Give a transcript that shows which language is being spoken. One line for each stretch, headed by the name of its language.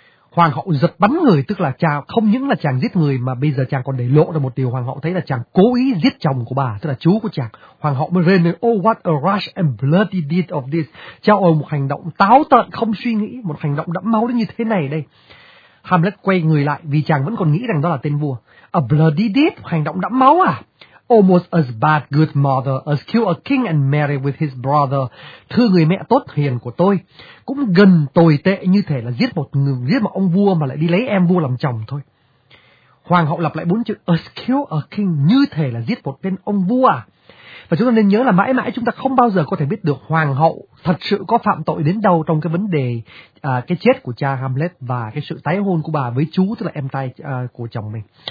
Vietnamese: Hoàng hậu giật bắn người, tức là chàng không những là chàng giết người mà bây giờ chàng còn để lộ ra một điều hoàng hậu thấy là chàng cố ý giết chồng của bà, tức là chú của chàng. Hoàng hậu mới rên lên,
English: oh what a rash and bloody deed of this.
Vietnamese: Chao ôi, một hành động táo tợn không suy nghĩ, một hành động đẫm máu đến như thế này đây. Hamlet quay người lại vì chàng vẫn còn nghĩ rằng đó là tên vua.
English: A bloody deed,
Vietnamese: hành động đẫm máu à?
English: Almost as bad, good mother, as kill a king and marry with his brother.
Vietnamese: Thưa người mẹ tốt hiền của tôi, cũng gần tồi tệ như thể là giết một ông vua mà lại đi lấy em vua làm chồng thôi. Hoàng hậu lặp lại bốn chữ,
English: as kill a king,
Vietnamese: như thể là giết một tên ông vua à? Và chúng ta nên nhớ là mãi mãi chúng ta không bao giờ có thể biết được hoàng hậu thật sự có phạm tội đến đâu trong cái vấn đề cái chết của cha Hamlet và cái sự tái hôn của bà với chú, tức là em trai của chồng mình.